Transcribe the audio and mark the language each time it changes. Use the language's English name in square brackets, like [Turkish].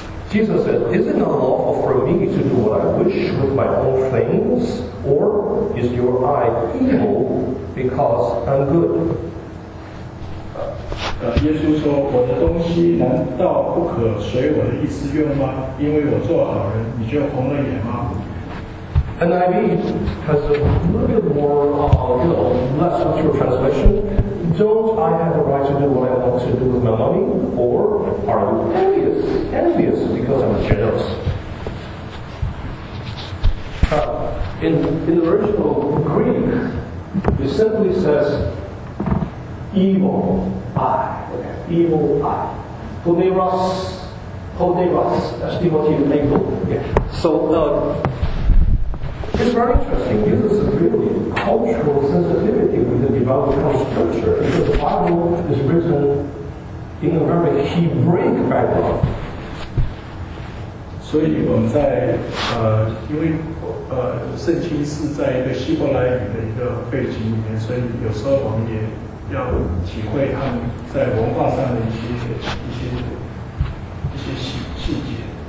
[English] ，Jesus said, "Is it not lawful for me to do what I wish with my own things, or is your eye evil because I'm good?" [Chinese] 耶稣说，我的东西难道不可随我的意思用吗？因为我做好人，你就红了眼吗？ [English] NIV has a little bit more, less literal translation. Don't I have the right to do what I want to do with my money? Or are you envious because I'm generous? In the original Greek, it simply says evil eye. Evil eye. Poneros. That's devotee in Mabel. It's very interesting. This is really cultural sensitivity with the development of scripture, because the Bible is written in a very Hebraic background. [Chinese] 所以我们在因为圣经是在一个希伯来语的一个背景里面，所以有时候我们也要体会他们在文化上的一些细节。